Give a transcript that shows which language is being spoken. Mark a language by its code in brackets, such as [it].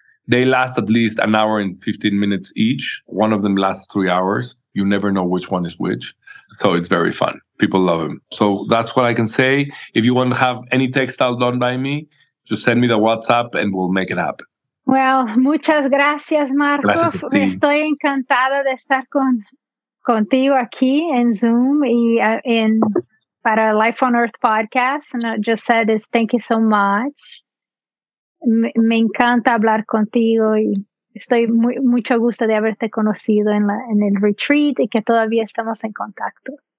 [en] They last at least an hour and 15 minutes each. One of them lasts 3 hours. You never know which one is which. So it's very fun. People love them. So that's what I can say. If you want to have any textiles done by me, just send me the WhatsApp and we'll make it happen. [es] Well, muchas gracias, Marco. Gracias. Estoy encantada de estar contigo aquí en Zoom y en para Life on Earth podcast. [en] And I just said is thank you so much. [es] Me encanta hablar contigo y estoy mucho gusto de haberte conocido en el retreat y que todavía estamos en contacto.